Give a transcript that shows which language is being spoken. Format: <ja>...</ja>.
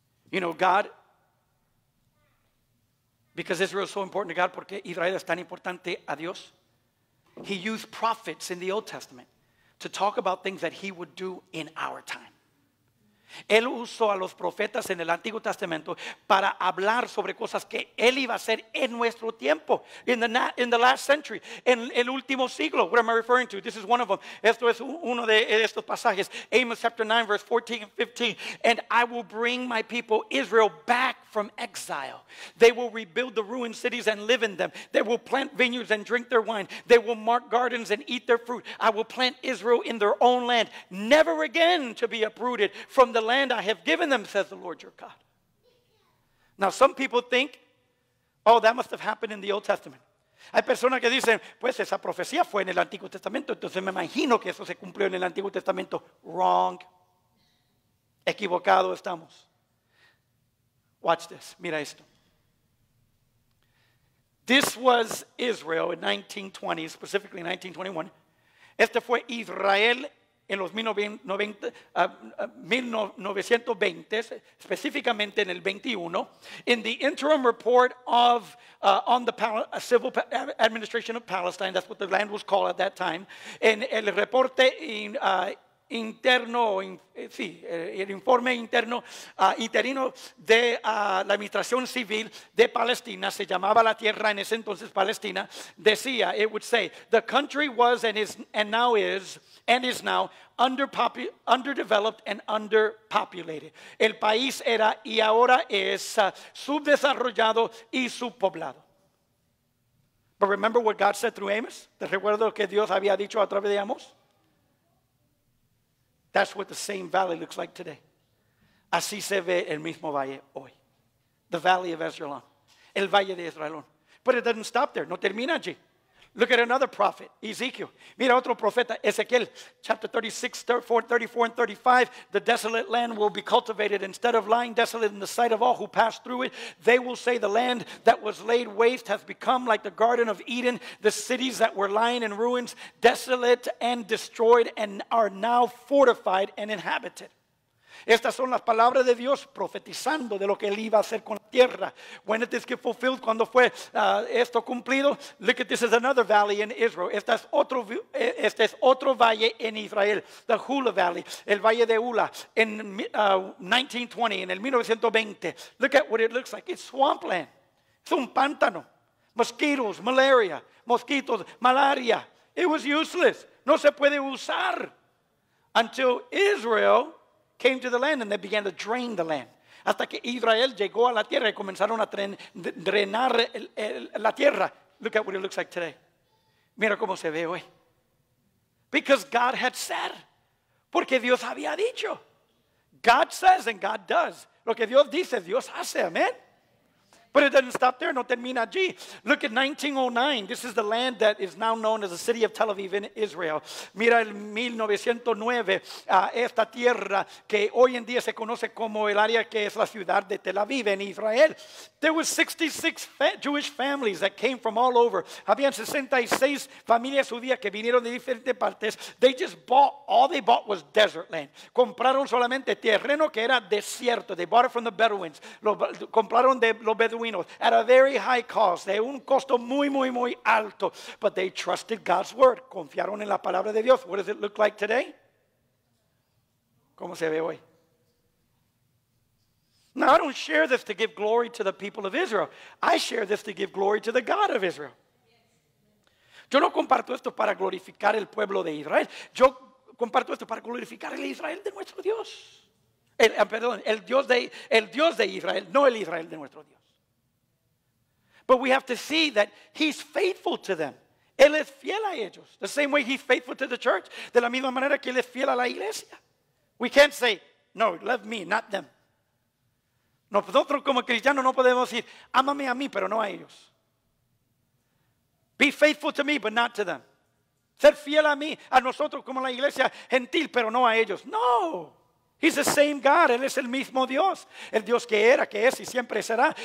<en>You know, God, because Israel is so important to God,</en> <es>porque Israel es tan importante a Dios,</es> <en>he used prophets in the Old Testament to talk about things that he would do in our time.</en> <es>Él usó a los profetas en el Antiguo Testamento para hablar sobre cosas que Él iba a hacer en nuestro tiempo.</es> <en>In the last century,</en> <es>en el último siglo.</es> <en>What am I referring to? This is one of them.</en> <es>Esto es uno de estos pasajes.</es> <en>Amos chapter 9 verse 14 and 15. And I will bring my people Israel back from exile. They will rebuild the ruined cities and live in them. They will plant vineyards and drink their wine. They will mark gardens and eat their fruit. I will plant Israel in their own land, never again to be uprooted from the land I have given them, says the Lord your God. Now some people think, oh, that must have happened in the Old Testament.</en> <es>Hay personas que dicen, pues esa profecía fue en el Antiguo Testamento, entonces me imagino que eso se cumplió en el Antiguo Testamento.</es> <en>Wrong.</en> <es>Equivocado estamos.</es> <en>Watch this.</en> <es>Mira esto.</es> <en>This was Israel in 1920, specifically 1921.</en> <es>Este fue Israel en los 1920, específicamente en el 21.</es> <en>In the interim report of on the civil administration of Palestine, that's what the land was called at that time.</en> <es>En el reporte interno, sí, el informe interno interino de la administración civil de Palestina, se llamaba la tierra en ese entonces Palestina, decía,</es> <en>it would say, the country was and is now underdeveloped and underpopulated.</en> <es>El país era y ahora es subdesarrollado y subpoblado.</es> <en>But remember what God said through Amos?</en> <es>¿Te recuerdo que Dios había dicho a través de Amos?</es> <en>That's what the same valley looks like today.</en> <es>Así se ve el mismo valle hoy.</es> <en>The valley of Esdraelon.</en> <es>El valle de Esdraelon.</es> <en>But it doesn't stop there.</en> <es>No termina allí.</es> <en>Look at another prophet, Ezekiel.</en> <es>Mira otro profeta, Ezequiel,</es> <en>chapter 36, 34, 34 and 35. The desolate land will be cultivated instead of lying desolate in the sight of all who pass through it. They will say the land that was laid waste has become like the Garden of Eden. The cities that were lying in ruins, desolate and destroyed, and are now fortified and inhabited.</en> <es>Estas son las palabras de Dios profetizando de lo que Él iba a hacer con la tierra.</es> <en>When it is fulfilled,</en> <es>cuando fue esto cumplido.</es> <en>Look at this, is another valley in Israel.</en> <es>Este es otro valle en Israel.</es> <en>The Hula Valley,</en> <es>el valle de Hula, en 1920, en el 1920.</es> <en>Look at what it looks like. It's swampland.</en> <es>Es un pántano.</es> <en>Mosquitos, malaria. Mosquitos, malaria. It was useless.</en> <es>No se puede usar.</es> <en>Until Israel came to the land and they began to drain the land.</en> <es>Hasta que Israel llegó a la tierra y comenzaron a drenar la tierra.</es> <en>Look at what it looks like today.</en> <es>Mira cómo se ve hoy.</es> <en>Because God had said.</en> <es>Porque Dios había dicho.</es> <en>God says and God does.</en> <es>Lo que Dios dice, Dios hace. Amen.</es> <en>But it doesn't stop there.</en> <es>No termina allí.</es> <en>Look at 1909. This is the land that is now known as the city of Tel Aviv in Israel.</en> <es>Mira el 1909. Esta tierra que hoy en día se conoce como el área que es la ciudad de Tel Aviv en Israel.</es> <en>There were 66 Jewish families that came from all over.</en> <es>Habían 66 familias judías que vinieron de diferentes partes.</es> <en>They just bought, all they bought was desert land.</en> <es>Compraron solamente terreno que era desierto.</es> <en>They bought it from the Bedouins.</en> <es>Compraron de los Bedouins.</es> <en>At a very high cost,</en> <es>de un costo muy, muy, muy alto.</es> <en>But they trusted God's word.</en> <es>Confiaron en la palabra de Dios.</es> <en>What does it look like today?</en> <es>¿Cómo se ve hoy?</es> <en>Now, I don't share this to give glory to the people of Israel. I share this to give glory to the God of Israel.</en> <es>Yo no comparto esto para glorificar el pueblo de Israel. Yo comparto esto para glorificar el Israel de nuestro Dios. El Dios de Israel, no el Israel de nuestro Dios.</es> <en>But we have to see that he's faithful to them.</en> <es>Él es fiel a ellos.</es> <en>The same way he's faithful to the church.</en> <es>De la misma manera que él es fiel a la iglesia.</es> <en>We can't say, no, love me, not them.</en> <es>Nosotros como cristianos no podemos decir, ámame a mí, pero no a ellos.</es> <en>Be faithful to me, but not to them.</en> <es>Ser fiel a mí, a nosotros como la iglesia gentil, pero no a ellos. No.</es> <en>He's the same God.</en> <es>Él es el mismo Dios. El Dios que era, que es y siempre será.</es>